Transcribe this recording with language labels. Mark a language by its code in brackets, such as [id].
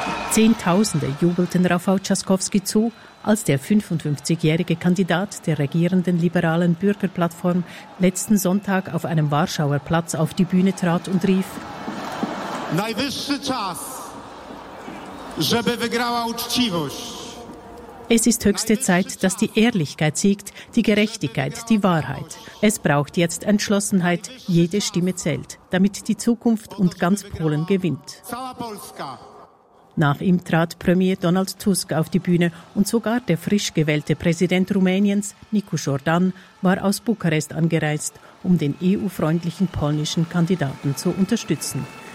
[de] Zehntausende jubelten Rafał Trzaskowski zu, als der 55-jährige Kandidat der regierenden liberalen Bürgerplattform letzten Sonntag auf einem Warschauer Platz auf die Bühne trat und rief: [pl] Najwyższy czas! żeby wygrała uczciwość. [de] Es ist höchste Zeit, dass die Ehrlichkeit siegt, die Gerechtigkeit, die Wahrheit. Es braucht jetzt Entschlossenheit, jede Stimme zählt, damit die Zukunft und ganz Polen gewinnt. Nach ihm trat Premier Donald Tusk auf die Bühne und sogar der frisch gewählte Präsident Rumäniens, Nicu Jordan, war aus Bukarest angereist, um den EU-freundlichen polnischen Kandidaten zu unterstützen.